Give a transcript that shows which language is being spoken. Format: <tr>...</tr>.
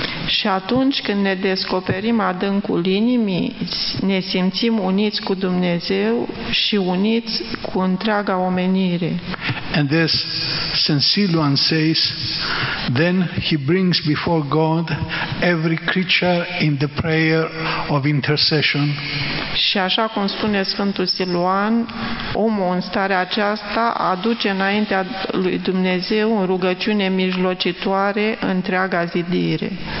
<ro>Și atunci când ne descoperim adâncul inimii, ne simțim uniți cu Dumnezeu și uniți cu întreaga omenire.</ro> <en>And as St. Siluan says, then he brings before God every creature in the prayer of intercession.</en> <ro>Și așa cum spune Sfântul Siluan, omul în starea aceasta aduce înaintea lui Dumnezeu o rugăciune mijlocitoare întreaga zidire.</ro>